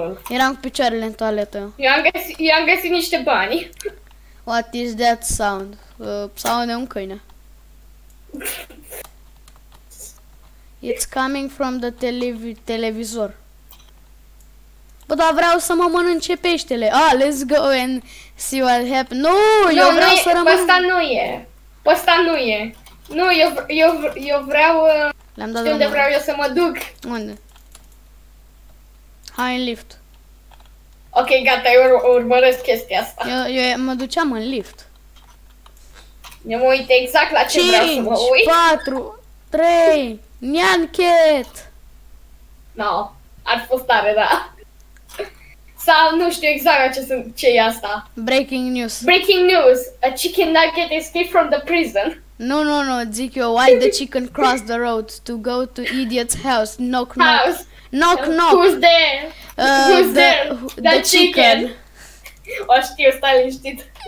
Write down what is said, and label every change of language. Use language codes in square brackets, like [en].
[ro] Eram cu picioarele în toaletă. I-am găsit niște bani. [en] What is that sound? Sound [ro] de un câine. [en] It's coming from the televizor. [ro] Bă, dar vreau să mă mănânce peștele. [en] Ah, let's go and see what happens. No, no, [ro] eu vreau să rămân... Pe ăsta nu e. Nu, eu vreau... Le-am dat de unde vreau eu să mă duc. Unde? Hai în lift. Ok, gata, eu urmăresc chestia asta. Eu mă duceam în lift. Eu mă uit exact la ce 5, vreau să mă uit. 4, 3, Nyan Cat! No, ar fost tare, da. Sau nu știu exact ce e asta. [en] Breaking news. A chicken nugget escaped from the prison. [ro] Nu, zic eu. [en] Why the chicken crossed the road to go to idiot's house? Knock, knock. House. Knock. Who's there? The chicken. [ro] O știu, stai liniștit.